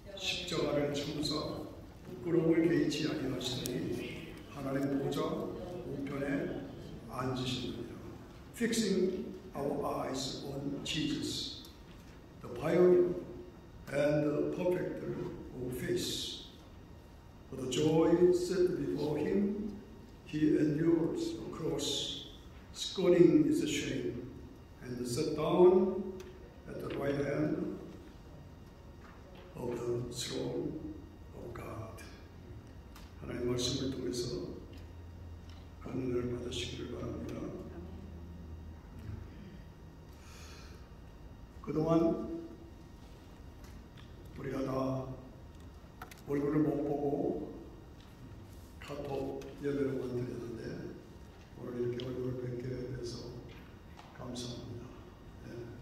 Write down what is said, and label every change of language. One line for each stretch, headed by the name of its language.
Korean: 십자가를 참으사 부끄러움을 개의치 아니하시니 하나님 보좌 우편에 앉으십니다.
English: Fixing our eyes on Jesus, the pioneer and the perfecter of faith. For the joy set before him, he endured the cross, scorning its shame, and sat down at the right hand of the throne of God.
Korean: 하나님 말씀을 통해서 은혜를 받으시기를 바랍니다. 그동안 우리가 다 얼굴을 못 보고 카톡 예배로만 드렸는데 오늘 이렇게 얼굴을 뵙게 돼서 감사합니다. 네.